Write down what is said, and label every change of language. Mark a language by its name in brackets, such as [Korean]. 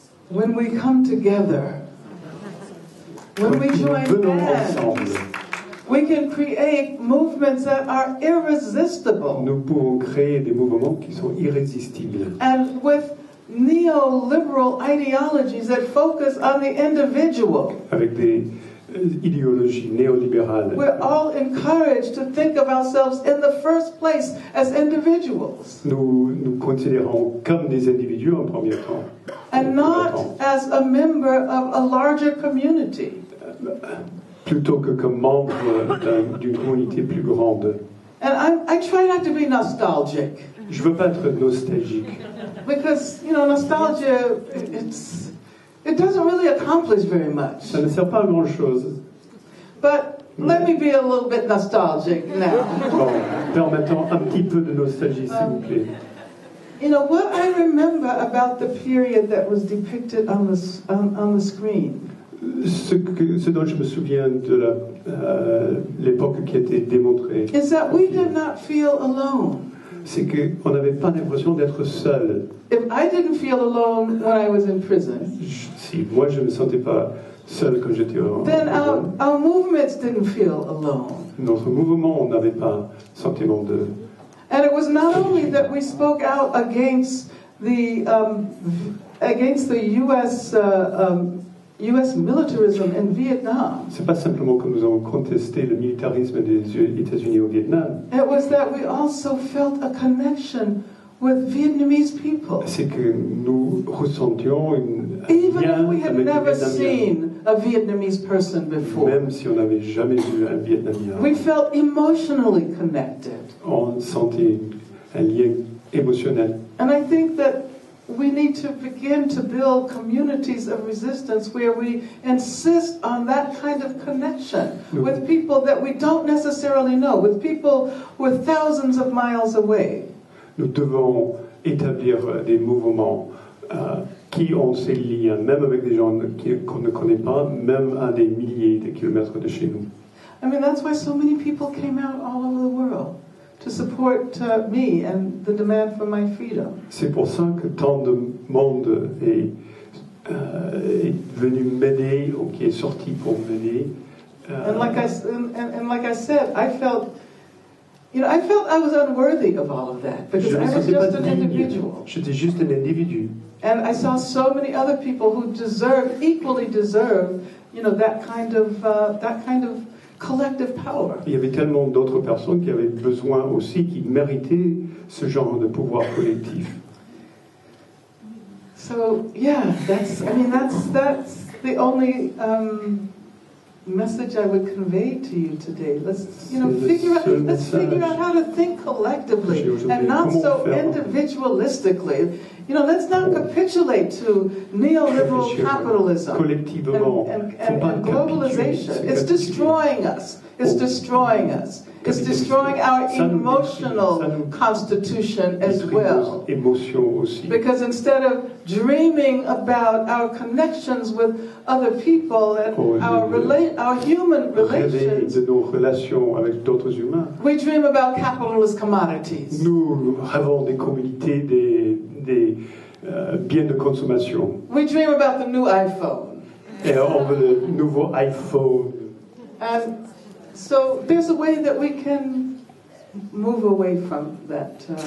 [English] When we come together, when we join hands, we can create movements that are irresistible. [French] Nous pouvons créer des mouvements qui sont irrésistibles. [English] And with neoliberal ideologies that focus on the individual. [French] Avec des idéologies néolibérales. [English] We're all encouraged to think of ourselves in the first place as individuals. [French] Nous considérons comme des individus en premier temps. [English] And not as a member of a larger community. [French] Plutôt que comme membre d'une communauté plus grande. [English] And I try not to be nostalgic. [French] Je veux pas être nostalgique. [English] Because, you know, nostalgia, it doesn't really accomplish very much. [French] Ça ne sert pas à grand chose. [English] But let me be a little bit nostalgic now. [French] Bon, permettons un petit peu de nostalgie, s'il vous plaît. [English] You know what I remember about the period that was depicted on the screen. [French] Ce dont je me souviens de la l'époque qui a été démontrée. [English] Is that we did not feel alone. [French] C'est que on n'avait pas l'impression d'être seul. [English] If I didn't feel alone when I was in prison. [French] Si moi je me sentais pas seul quand j'étais en prison. [English] Then our movements didn't feel alone. [French] Notre mouvement n'avait pas sentiment de. [English] And it was not only that we spoke out against the U.S. militarism in Vietnam. [French] C'est pas simplement que nous avons contesté le militarisme des États-Unis au Vietnam. [English] It was that we also felt a connection with Vietnamese people. [French] C'est que nous ressentions un lien. [English] Even if we had never seen a Vietnamese person before. [French] Même si on n'avait jamais vu un Vietnamien. [English] We felt emotionally connected. [French] On sentait un lien émotionnel. [English] And I think that we need to begin to build communities of resistance where we insist on that kind of connection with people that we don't necessarily know, with people who are thousands of miles away. [French] Nous devons établir des mouvements qui ont ces liens, même avec des gens qu'on ne connaît pas, même à des milliers de kilomètres de chez nous. [English] I mean, that's why so many people came out all over the world to support me and the demand for my freedom. [French] C'est pour ça que tant de monde est venu m'aider ou qui est sorti pour m'aider. [English] And like I said, I felt. You know, I felt I was unworthy of all of that because I was just an individual. [French] J'étais juste un individu. [English] And I saw so many other people who equally deserve, you know, that kind of collective power. [French] Il y avait tellement d'autres personnes qui avaient besoin aussi, qui méritaient ce genre de pouvoir collectif. [English] So yeah, that's the only. Message I would convey to you today. Let's figure out how to think collectively and not so individualistically. You know, let's not capitulate to neoliberal capitalism and globalization. It's destroying us. It's destroying our emotional constitution as well. Because instead of dreaming about our connections with other people and our human relations, we dream about capitalist commodities. [French] Nous avons des communautés des biens de consommation. [English] We dream about the new iPhone. [French] Et on veut le nouveau iPhone. [English] And so there's a way that we can move away from that.